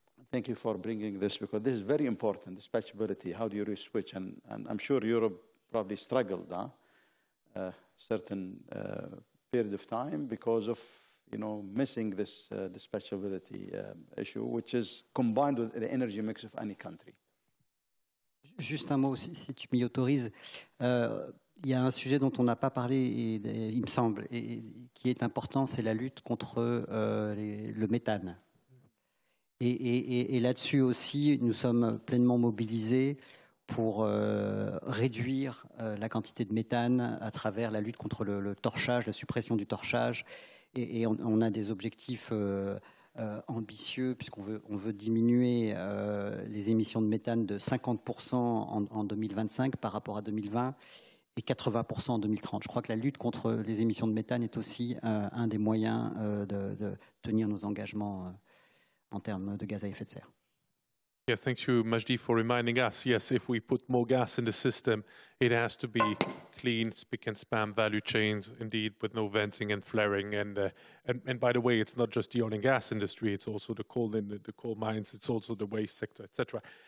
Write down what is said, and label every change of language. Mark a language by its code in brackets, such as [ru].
[en] Thank you for bringing this, because this is very important, dispatchability. How do you switch? And I'm sure Europe probably struggled a certain period of time because of, you know, missing this dispatchability issue, which is combined with the energy mix of any country. [fr] Juste un mot, si tu m'y autorises. Il y a un sujet dont on n'a pas parlé, il me semble, et qui est important, c'est la lutte contre le méthane. Et là-dessus aussi, nous sommes pleinement mobilisés pour réduire la quantité de méthane à travers la lutte contre le torchage, la suppression du torchage. Et on a des objectifs ambitieux, puisqu'on veut, on veut diminuer les émissions de méthane de 50% en 2025 par rapport à 2020 et 80% en 2030. Je crois que la lutte contre les émissions de méthane est aussi un des moyens de tenir nos engagements en termes de gaz à effet de serre. [en] Yeah, thank you, Majdi, for reminding us. Yes, if we put more gas in the system, it has to be clean, spick and span value chains, indeed, with no venting and flaring. And by the way, it's not just the oil and gas industry, it's also the coal in the coal mines, it's also the waste sector, etc.